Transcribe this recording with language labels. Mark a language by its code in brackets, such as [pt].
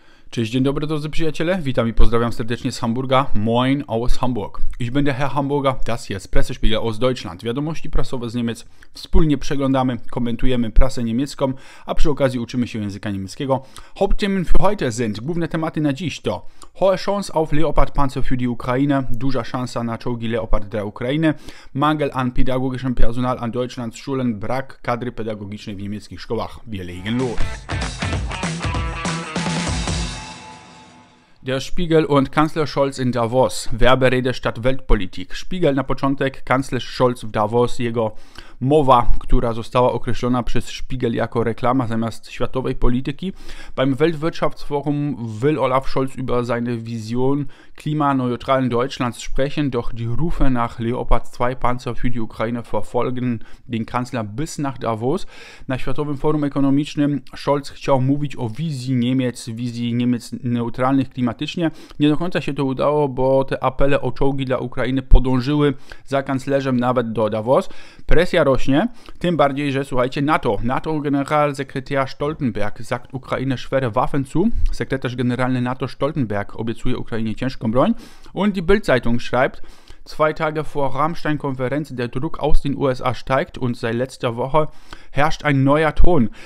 [pl] Cześć, dzień dobry, drodzy przyjaciele. Witam i pozdrawiam serdecznie z Hamburga. [de] Moin aus Hamburg. Ich bin der Herr Hamburger, das hier ist Pressespiegel aus Deutschland. [pl] Wiadomości prasowe z Niemiec. Wspólnie przeglądamy, komentujemy prasę niemiecką, a przy okazji uczymy się języka niemieckiego. [de] Hauptthemen für heute sind, [pl] główne tematy na dziś to [de] hohe Chance auf Leopard-Panzer für die Ukraine, [pl] duża szansa na czołgi Leopard dla Ukrainy, [de] mangel an pedagogischem Personal an Deutschlands Schulen, [pl] brak kadry pedagogicznej w niemieckich szkołach. [de] Wir legen los. Der Spiegel und Kanzler Scholz in Davos. Werberede statt Weltpolitik. [pl] Spiegel na początek, Kanzler Scholz w Davos, jego mowa, która została określona przez Spiegel jako reklama zamiast światowej polityki. [de] Beim Weltwirtschaftsforum will Olaf Scholz über seine Vision klimaneutralen Deutschlands sprechen, doch die Rufe nach Leopard 2 Panzer für die Ukraine verfolgen den Kanzler bis nach Davos. [pl] Na Światowym Forum Ekonomicznym Scholz chciał mówić o wizji Niemiec neutralnych klimatycznie. Nie do końca się to udało, bo te apele o czołgi dla Ukrainy podążyły za kanclerzem nawet do Davos. Presja rośnie, tym bardziej, że słuchajcie, [de] NATO generalsekretär Stoltenberg sagt Ukraine schwere Waffen zu, [pl] sekretarz generalny NATO Stoltenberg obiecuje Ukrainie ciężką broń [de] und die Bild-Zeitung schreibt, zwei Tage vor Rammstein-Konferenz, der Druck aus den USA steigt und seit letzter Woche herrscht ein neuer Ton.